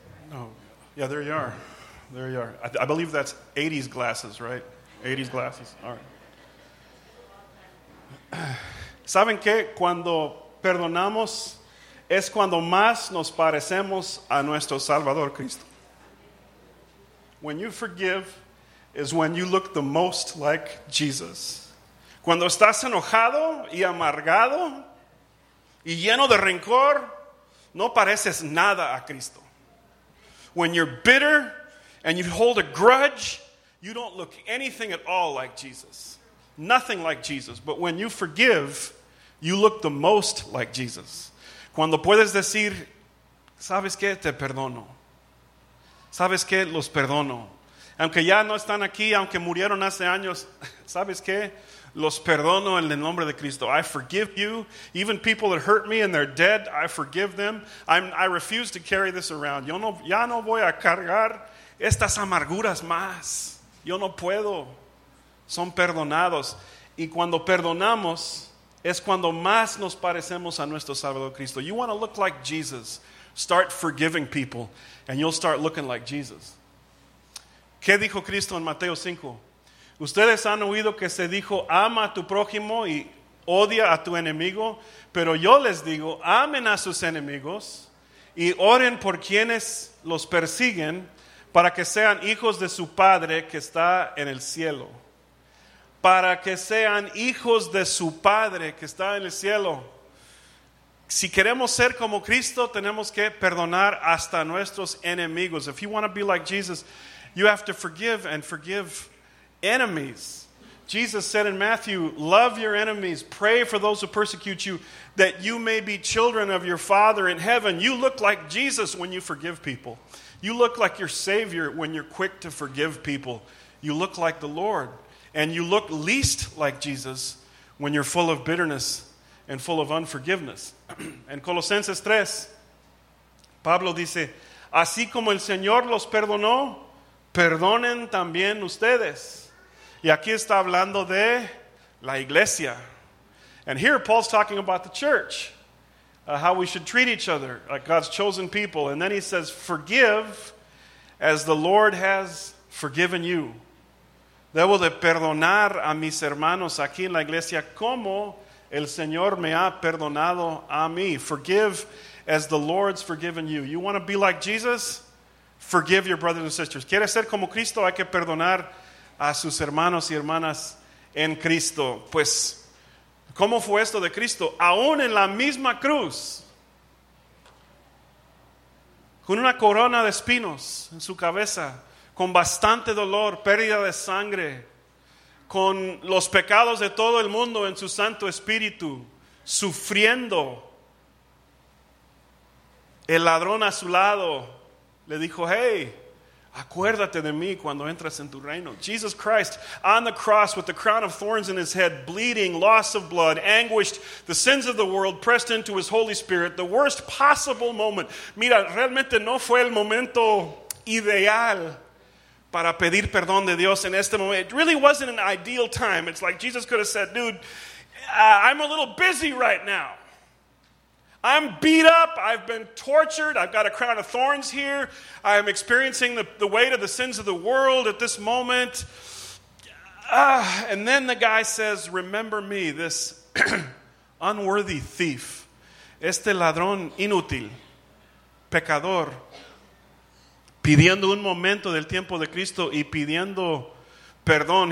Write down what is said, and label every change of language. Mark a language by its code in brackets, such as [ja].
[en] No. Yeah, there you are. There you are. I believe that's 80s glasses, right? 80s glasses. All right. [es] ¿Saben qué? Cuando perdonamos es cuando más nos parecemos a nuestro Salvador Cristo. [en] When you forgive is when you look the most like Jesus. [es] Cuando estás enojado y amargado y lleno de rencor, no pareces nada a Cristo. [en] When you're bitter and you hold a grudge, you don't look anything at all like Jesus. Nothing like Jesus. But when you forgive, you look the most like Jesus. [es] Cuando puedes decir, "¿Sabes qué? Te perdono. ¿Sabes qué? Los perdono. Aunque ya no están aquí, aunque murieron hace años, ¿sabes qué? Los perdono en el nombre de Cristo. [en] I forgive you. Even people that hurt me and they're dead, I forgive them. I refuse to carry this around. [es] Yo no, ya no voy a cargar estas amarguras más. Yo no puedo. Son perdonados." Y cuando perdonamos, es cuando más nos parecemos a nuestro Salvador Cristo. [en] You want to look like Jesus. Start forgiving people and you'll start looking like Jesus. [es] ¿Qué dijo Cristo en Mateo 5? Ustedes han oído que se dijo, "Ama a tu prójimo y odia a tu enemigo." Pero yo les digo, amen a sus enemigos y oren por quienes los persiguen para que sean hijos de su Padre que está en el cielo. Para que sean hijos de su Padre que está en el cielo. Si queremos ser como Cristo, tenemos que perdonar hasta nuestros enemigos. [en] If you want to be like Jesus, you have to forgive and forgive enemies. Jesus said in Matthew, "Love your enemies, pray for those who persecute you, that you may be children of your Father in heaven." You look like Jesus when you forgive people. You look like your Savior when you're quick to forgive people. You look like the Lord. And you look least like Jesus when you're full of bitterness and full of unforgiveness. [es] En Colosenses 3, Pablo dice, "Así como el Señor los perdonó, perdonen también ustedes." Y aquí está hablando de la iglesia. [en] And here Paul's talking about the church, how we should treat each other, like God's chosen people. And then he says, "Forgive as the Lord has forgiven you." [es] Debo de perdonar a mis hermanos aquí en la iglesia como el Señor me ha perdonado a mí. [en] Forgive as the Lord's forgiven you. You want to be like Jesus? Forgive your brothers and sisters. [es] ¿Quieres ser como Cristo? Hay que perdonar a sus hermanos y hermanas en Cristo. Pues, ¿cómo fue esto de Cristo? Aún en la misma cruz, con una corona de espinos en su cabeza, con bastante dolor, pérdida de sangre, con los pecados de todo el mundo en su Santo Espíritu, sufriendo. El ladrón a su lado le dijo, "Hey, acuérdate de mí cuando entras en tu reino." [en] Jesus Christ on the cross with the crown of thorns in his head, bleeding, loss of blood, anguished, the sins of the world pressed into his Holy Spirit, the worst possible moment. [es] Mira, realmente no fue el momento ideal para pedir perdón de Dios en este momento. [en] It really wasn't an ideal time. It's like Jesus could have said, "Dude, I'm a little busy right now. I'm beat up, I've been tortured, I've got a crown of thorns here, I'm experiencing the weight of the sins of the world at this moment." And then the guy says, "Remember me this unworthy thief, [es] este ladrón inútil, pecador, pidiendo un momento del tiempo de Cristo y pidiendo perdón.